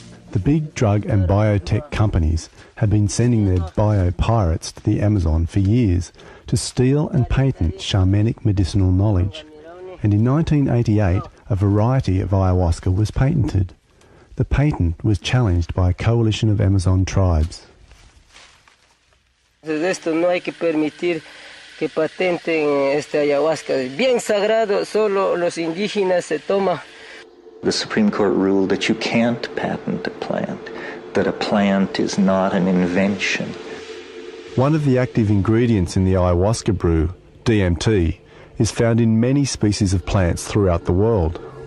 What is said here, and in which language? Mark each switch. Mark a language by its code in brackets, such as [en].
[en] The big drug and biotech companies have been sending their biopirates to the Amazon for years to steal and patent shamanic medicinal knowledge. And in 1988, a variety of ayahuasca was patented. The patent was challenged by a coalition of Amazon tribes. [es] Esto no hay que permitir que patenten este ayahuasca. Bien sagrado, solo los indígenas se toma. [en] The Supreme Court ruled that you can't patent a plant, that a plant is not an invention. One of the active ingredients in the ayahuasca brew, DMT, is found in many species of plants throughout the world.